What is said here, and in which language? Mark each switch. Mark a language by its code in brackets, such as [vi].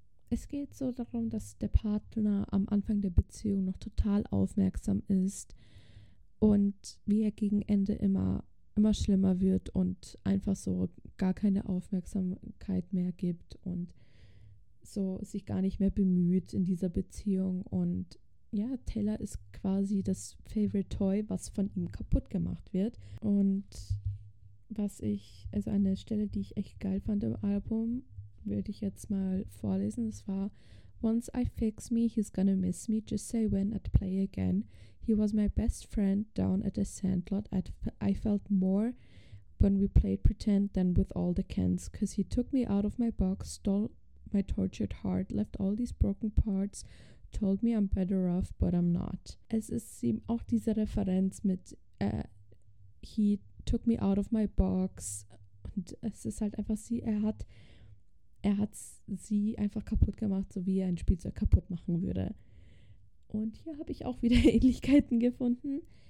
[de] Es geht so darum, dass der Partner am Anfang der Beziehung noch total aufmerksam ist und wie er gegen Ende immer schlimmer wird und einfach so gar keine Aufmerksamkeit mehr gibt und so sich gar nicht mehr bemüht in dieser Beziehung. Und ja, Taylor ist quasi das Favorite Toy, was von ihm kaputt gemacht wird. Und also eine Stelle, die ich echt geil fand im Album, würde ich jetzt mal vorlesen. Es war: [en] Once I fix me, he's gonna miss me. Just say when I'd play again. He was my best friend down at the sandlot. I felt more when we played pretend than with all the cans. 'Cause he took me out of my box, stole my tortured heart, left all these broken parts, told me I'm better off, but I'm not. [de] Es ist eben auch diese Referenz mit [en] he took me out of my box. [de] Und es ist halt einfach sie, er hat sie einfach kaputt gemacht, so wie er ein Spielzeug kaputt machen würde. Und hier habe ich auch wieder Ähnlichkeiten gefunden.